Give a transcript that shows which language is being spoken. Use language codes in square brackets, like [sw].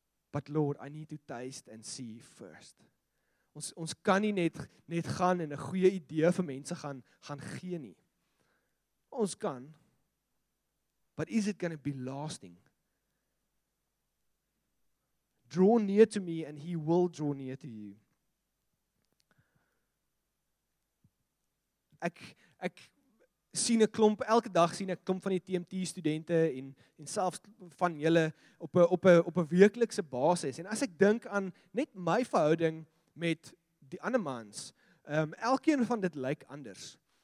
[en] But Lord, I need to taste and see first. [af] Ons kan nie net gaan en 'n goeie idee vir mense gaan gee nie. Ons kan. [en] But is it going to be lasting? Draw near to me and he will draw near to you. [af] Ek sien 'n klomp, elke dag sien ek klomp van die TMT studente en selfs van julle op 'n weeklikse basis. En as ek dink aan net my verhouding met die ander mans, elkeen van dit lyk anders.